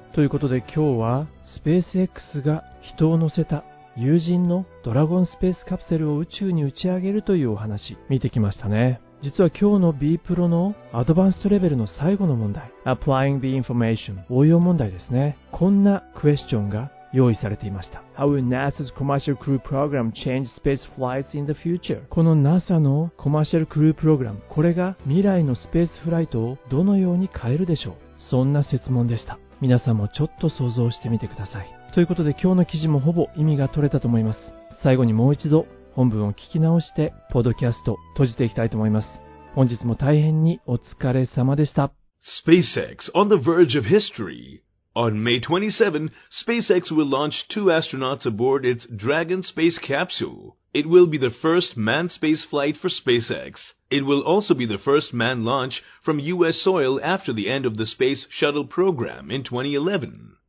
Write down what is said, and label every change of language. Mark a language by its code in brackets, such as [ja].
[ja] ということで今日は SpaceX が人を乗せた有人のドラゴンスペースカプセルを宇宙に打ち上げるというお話見てきましたね。実は今日の B プロのアドバンストレベルの最後の問題、 [en] Applying the information [ja] 応用問題ですね。こんなクエスチョンが用意されていました。 [en] How will NASA's commercial crew program change space flights in the future? [ja] この NASA のコマーシャルクループログラム、これが未来のスペースフライトをどのように変えるでしょう。そんな設問でした。皆さんもちょっと想像してみてください。ということで今日の記事もほぼ意味が取れたと思います。最後にもう一度、本文を聞き直してポッドキャスト閉じていきたいと思います。本日も大変にお疲れ様でした。 [en] SpaceX on the verge of history. On May 27, SpaceX will launch two astronauts aboard its Dragon space capsule. It will be the first manned space flight for SpaceX. It will also be the first manned launch from U.S. soil after the end of the space shuttle program in 2011.